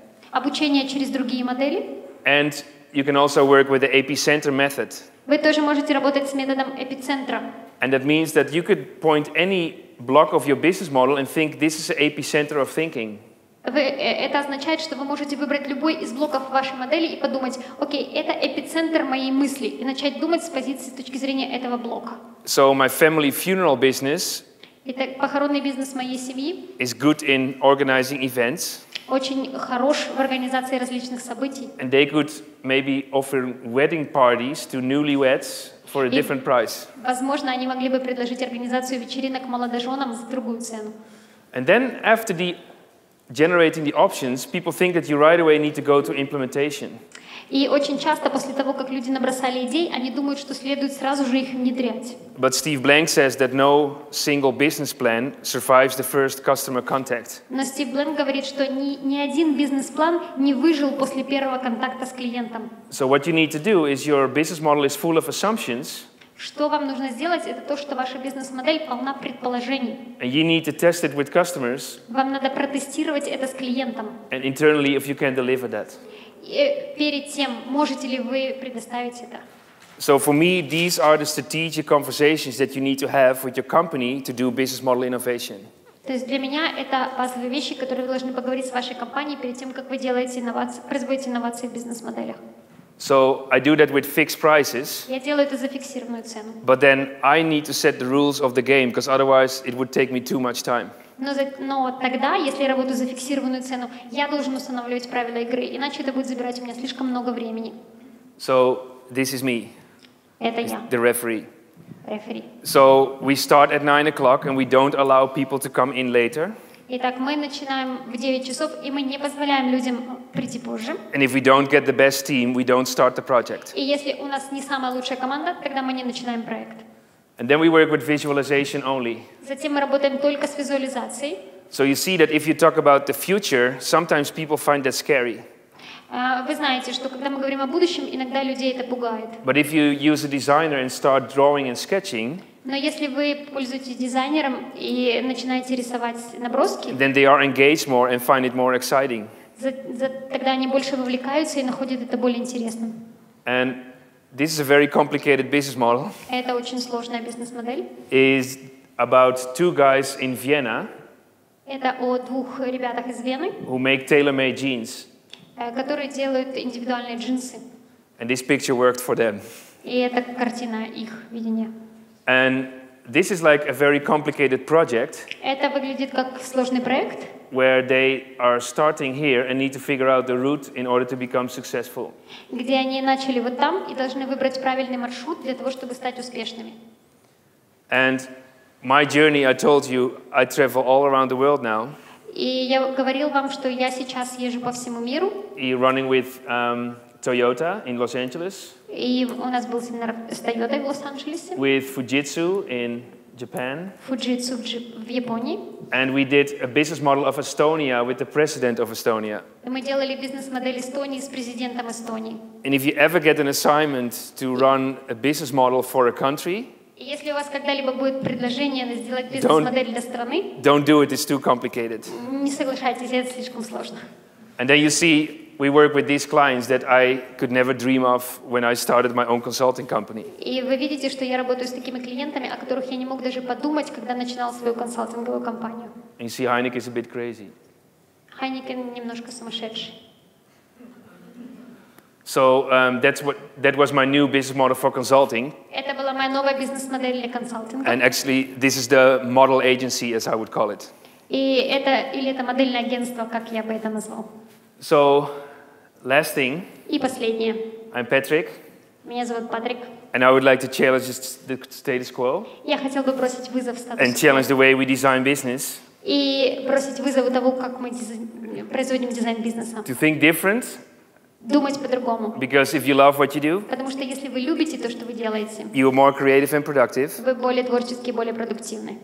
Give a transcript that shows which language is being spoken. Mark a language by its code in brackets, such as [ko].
[ru] Обучение через другие модели. [en] And you can also work with the epicenter method. [ru] Вы тоже можете работать с методом эпицентра. [en] And that means that you could point any block of your business model and think this is the epicenter of thinking. [ru] Это означает, что вы можете выбрать любой из блоков вашей модели и подумать, окей, это эпицентр моей мысли, и начать думать с позиции, с точки зрения этого блока. [en] So my family funeral business. [ru] Итак, похоронный бизнес моей семьи. [en] Is good in organizing events. [ru] Очень хорош в организации различных событий. [en] And they could maybe offer wedding parties to newlyweds for a different price. [ru] Возможно, они могли бы предложить организацию вечеринок молодоженам за другую цену. [en] And then after the generating the options, people think that you right away need to go to implementation. [ru] И очень часто после того, как люди набросали идеи, они думают, что следует сразу же их внедрять. [en] But Steve Blank says that no single business plan survives the first customer contact. [ru] Но Стив Бланк говорит, что ни один бизнес-план не выжил после первого контакта с клиентом. [en] So what you need to do is your business model is full of assumptions. [ru] Что вам нужно сделать, это то, что ваша бизнес-модель полна предположений. [en] And you need to test it with customers. [ru] Вам надо протестировать это с клиентом. [en] And internally, if you can deliver that. [ru] И перед тем, можете ли вы предоставить это. [en] So for me, these are the strategic conversations that you need to have with your company to do business model innovation. [ru] То есть для меня это базовые вещи, которые вы должны поговорить с вашей компанией перед тем, как вы делаете производите инновации в бизнес-моделях. [en] So I do that with fixed prices. [ru] Я делаю это за фиксированную цену. [en] But then I need to set the rules of the game because otherwise it would take me too much time. [ru] Но тогда, если я работаю за фиксированную цену, я должен устанавливать правила игры, иначе это будет забирать у меня слишком много времени. [en] So this is me. [ru] Это я. [en] The referee. Referee. So we start at 9 o'clock and we don't allow people to come in later. [ru] Итак, мы начинаем в 9 часов, и мы не позволяем людям прийти позже. [en] And if we don't get the best team, we don't start the project. [ru] И если у нас не самая лучшая команда, тогда мы не начинаем проект. [en] And then we work with visualization only. [ru] Затем мы работаем только с визуализацией. [en] So you see that if you talk about the future, sometimes people find that scary. [ru] Вы знаете, что когда мы говорим о будущем, иногда людей это пугает. [en] But if you use a designer and start drawing and sketching, [ru] но если вы пользуетесь дизайнером и начинаете рисовать наброски, [en] then they are engaged more and find it more exciting. [ru] Тогда они больше вовлекаются и находят это более интересным. [en] And this is a very complicated business model. [ru] Это очень сложная бизнес-модель. [en] Is about two guys in Vienna. [ru] Это о двух ребятах из Вены. [en] Who make tailor-made jeans. [ru] Которые делают индивидуальные джинсы. [en] And this picture worked for them. [ru] И это картина их видения. [en] And this is like a very complicated project. [ru] Это выглядит как сложный проект. [en] Where they are starting here and need to figure out the route in order to become successful. [ru] Где они начали вот там и должны выбрать правильный маршрут для того, чтобы стать успешными. [en] And my journey, I told you, I travel all around the world now. [ru] И я говорил вам, что я сейчас езжу по всему миру. [en] И running with Toyota in Los Angeles. [ru] И у нас был семинар с Toyota в Лос-Анджелесе. [en] With Fujitsu in Japan. [ru] Fujitsu в Японии. [en] And we did a business model of Estonia with the president of Estonia. [ru] Мы делали бизнес-модель Эстонии с президентом Эстонии. [en] And if you ever get an assignment to run a business model for a country, [ru] если у вас когда-либо будет предложение сделать бизнес-модель для страны, [en] don't do it, it's too complicated. [ru] Не соглашайтесь, это слишком сложно. [en] And then you see, we work with these clients that I could never dream of when I started my own consulting company. [ru] И вы видите, что я работаю с такими клиентами, о которых я не мог даже подумать, когда начинал свою консалтинговую компанию. [en] And you see, Heineken is a bit crazy. [ru] Heineken немножко сумасшедший. [en] So that was my new business model for consulting. [ru] Это была моя новая бизнес-модель для консалтинга. [en] And actually, this is the model agency, as I would call it. [ru] И это или это модельное агентство, как я бы это назвал. [en] So, last thing. [ru] И последнее. [en] I'm Patrick. [ru] Меня зовут Патрик. [en] And I would like to challenge the status quo. [ru] Я хотел бы бросить вызов статусу. [en] And challenge the way we design business. [ru] И бросить вызов того, как мы производим дизайн бизнеса. [en] To think different. [ru] Думать по-другому. [en] Because if you love what you do. [ru] Потому что если вы любите то, что вы делаете. [en] You are more creative and productive. [ru] Вы более творческие, более продуктивные.